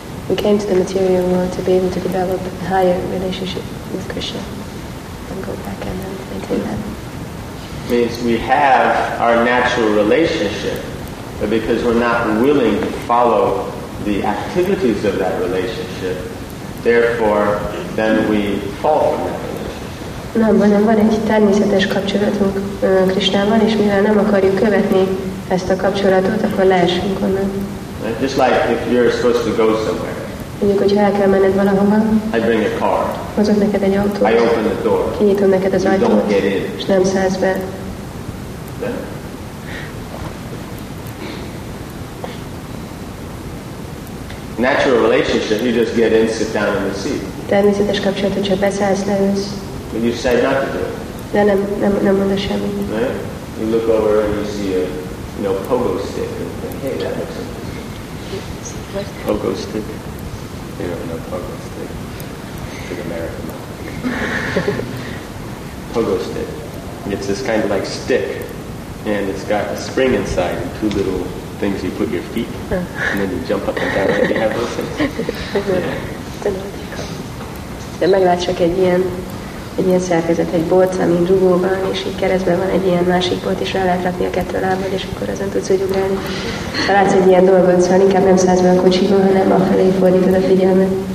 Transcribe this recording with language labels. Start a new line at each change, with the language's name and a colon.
English: We came to the material world to be able to develop a higher relationship with Krishna and go back and then maintain that. Means we have our natural relationship, but because we're not willing to follow the activities of that relationship, therefore, then we fall from that.
Hungarian: Nem, hanem van egy természetes kapcsolatunk Krishnával, és mivel nem akarjuk követni ezt a kapcsolatot, akkor leesünk onnan.
English: Just like if you're supposed to go somewhere.
Hungarian: Mondjuk, hogyha el kell menned valahova.
English: I bring a car.
Hungarian: Hozok neked egy autót.
English: I open the door.
Hungarian: Kinyitom neked az ajtót.
English: You don't get in.
Hungarian: És nem szállsz be.
English: Natural relationship, you just get in, sit down in the seat.
Hungarian: Természetes kapcsolat, hogyha beszállsz, leülsz.
English: And you say not to do it.
Hungarian: De nem mondasz semmit.
English: Right? You look over and you see a, you know, pogo stick and think, hey, that looks interesting. Pogo stick. You don't know pogo stick. It's an American one. Pogo stick. It's this kind of like stick. And it's got a spring inside and two little things you put your feet. Huh. And then you jump up and down and you have those things.
Hungarian: De meglátsak egy ilyen. Egy ilyen szerkezet, egy bolt, ami rugó van, és így keresztben van egy ilyen másik bolt, és rá lehet rakni a kettő lábad, és akkor azon tudsz úgy ugrálni. Ha látsz egy ilyen dolgot, szóval inkább nem szállsz be a kocsiba, hanem a felé fordítod a figyelmet.